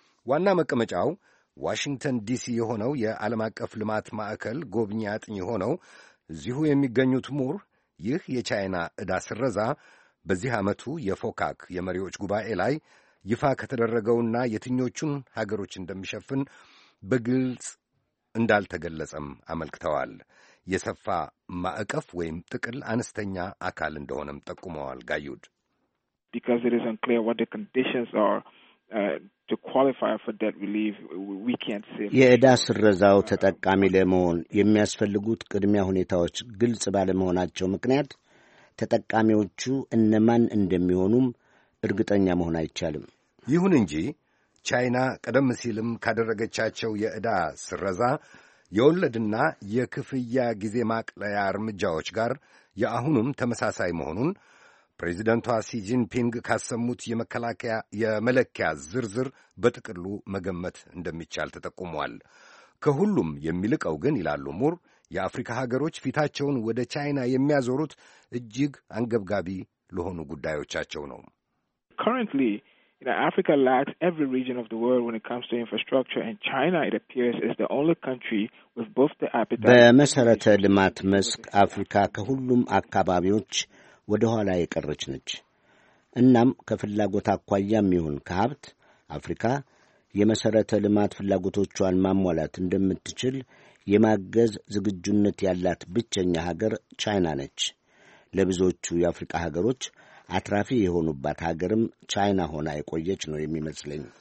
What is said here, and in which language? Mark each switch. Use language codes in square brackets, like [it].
[am] ዋና መቀመጫው ዋሽንግተን ዲሲ የሆነው የዓለም አቀፍ ልማት ማዕከል ጎብኚ አጥኚ ሆነው እዚሁ የሚገኙት ሙር ይህ የቻይና ዕዳ ስረዛ በዚህ ዓመቱ የፎካክ የመሪዎች ጉባኤ ላይ ይፋ ከተደረገውና የትኞቹን ሀገሮች እንደሚሸፍን በግልጽ እንዳልተገለጸም አመልክተዋል። የሰፋ ማዕቀፍ ወይም ጥቅል አነስተኛ አካል እንደሆነም ጠቁመዋል ጋዩድ። [en] Because it is unclear what the conditions are to qualify for debt relief, we can't say. [am] የዕዳ ስረዛው ተጠቃሚ ለመሆን የሚያስፈልጉት ቅድሚያ ሁኔታዎች ግልጽ ባለመሆናቸው ምክንያት ተጠቃሚዎቹ እነማን እንደሚሆኑም እርግጠኛ መሆን አይቻልም። ይሁን እንጂ ቻይና ቀደም ሲልም ካደረገቻቸው የዕዳ ስረዛ የወለድና የክፍያ ጊዜ ማቅለያ እርምጃዎች ጋር የአሁኑም ተመሳሳይ መሆኑን ፕሬዚደንቷ ሲጂንፒንግ ካሰሙት የመለኪያ ዝርዝር በጥቅሉ መገመት እንደሚቻል ተጠቁሟል። ከሁሉም የሚልቀው ግን ይላሉ ሙር፣ የአፍሪካ ሀገሮች ፊታቸውን ወደ ቻይና የሚያዞሩት እጅግ አንገብጋቢ ለሆኑ ጉዳዮቻቸው ነው። [en] Currently, you know, Africa lacks every region of the world when it comes to infrastructure, and China, it appears, is the only country with both the appetite. [am] በመሰረተ ልማት መስክ አፍሪካ ከሁሉም አካባቢዎች ወደ ኋላ የቀረች ነች። እናም ከፍላጎት አኳያም ይሁን ከሀብት አፍሪካ የመሰረተ ልማት ፍላጎቶቿን ማሟላት እንደምትችል የማገዝ ዝግጁነት ያላት ብቸኛ ሀገር ቻይና ነች። ለብዙዎቹ የአፍሪካ ሀገሮች አትራፊ የሆኑባት ሀገርም ቻይና ሆና የቆየች ነው የሚመስለኝ።